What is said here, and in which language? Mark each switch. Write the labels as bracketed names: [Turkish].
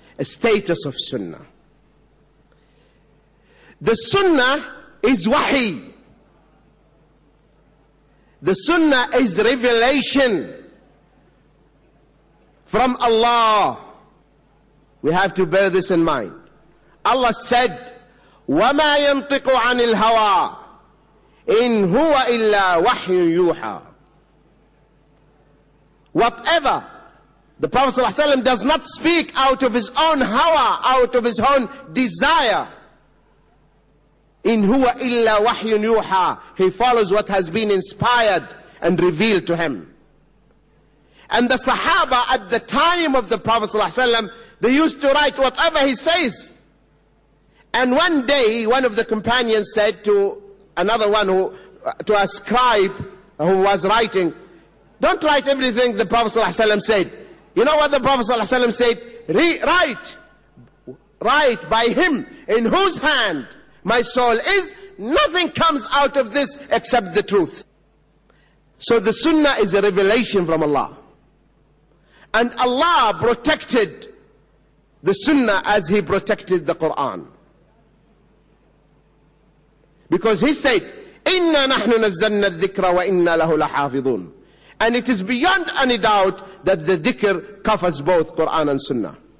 [English] A status of sunnah. The sunnah is wahi. The sunnah is revelation from Allah. We have to bear this in mind. Allah said, [Arabic] وَمَا يَنْطِقُ عَنِ الْهَوَىٰ إِنْ هُوَ إِلَّا وَحْيٌ يُوحَىٰ. Whatever the Prophet ﷺ does not speak out of his own hawa, out of his own desire. إِنْ هُوَ إِلَّا وَحْيٌ يُوحَىٰ. [English] He follows what has been inspired and revealed to him. And the Sahaba at the time of the Prophet ﷺ, they used to write whatever he says. And one day, one of the companions said to another one, to a scribe who was writing, don't write everything the Prophet ﷺ said. You know what the Prophet ﷺ said? Write right by him in whose hand my soul is, nothing comes out of this except the truth. So the Sunnah is a revelation from Allah. And Allah protected the Sunnah as he protected the Quran. Because he said, [Arabic] إِنَّا نَحْنُ نَزَّلْنَا الذِّكْرَ وَإِنَّا لَهُ لَحَافِظُونَ. [English] And it is beyond any doubt that the dhikr covers both Quran and Sunnah.